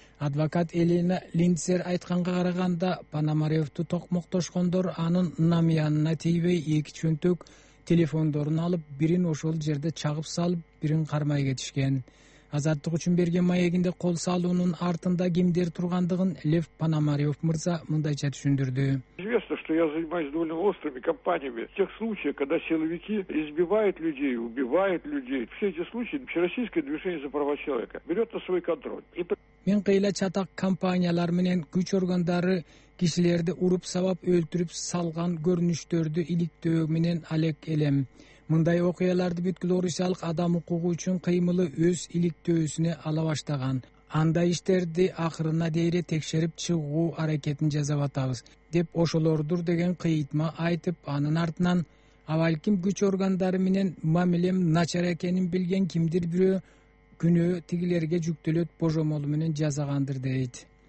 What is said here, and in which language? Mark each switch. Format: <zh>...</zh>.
<ky>Адвокат Элина Линцер айтканга караганда Пономарёвду токмоктошкондор анын намыянына тийбей эки чөнтөк телефондорун алып, бирин ошол жерде чагып салып, бирин кармай кетишкен. Азаттык үчүн берген маегинде кол салуунун артында кимдер тургандыгын Лев Пономарёв мырза мындайча түшүндүрдү.</ky> <ru>Что я занимаюсь довольно острыми кампаниями тех случаев, когда силовики избивают людей, убивают людей. Все эти случаи Всероссийское движение за права человека берет на свой контроль.</ru> <ky>Мен кыйла чатак кампаниялар менен күч органдары кишилерди уруп сабап өлтүрүп салган көрүнүштөрдү иликтөө менен алек элем. Мындай окуяларды бүткүл орусиялык адам укугу үчүн кыймылы өз иликтөөсүнө ала баштаган. Андай иштерди акырына дейли текшерип чыгуу аракетин жасап атабыз деп ошолордур деген кыйытма айтып, анын артынан авалким күч органдары менен мамилем начар экенин билген кимдир бирөө күнөө тигилерге жүктөлөт божомолу менен жасагандыр дейт.</ky>